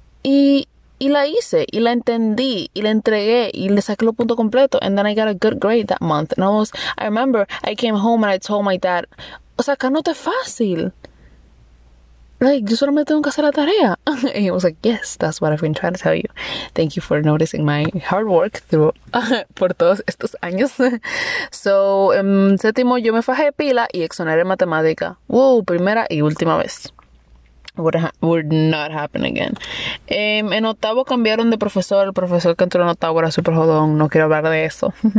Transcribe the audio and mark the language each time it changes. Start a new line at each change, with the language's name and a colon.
Spanish: Y la hice, y la entendí, y la entregué, y le saqué los puntos completos.
English: And then I got a good grade that month. And I remember I came home and I told my dad,
Spanish: o sea, acá no te es fácil. Like, yo solamente tengo que hacer la tarea.
English: And he was like, yes, that's what I've been trying to tell you. Thank you for noticing my hard work through
Spanish: por todos estos años. So, en séptimo yo me fajé pila y exoneré matemática. Woo, primera y última vez.
English: Would not happen again.
Spanish: En octavo cambiaron de profesor. El profesor que entró en octavo era súper jodón. No quiero hablar de eso.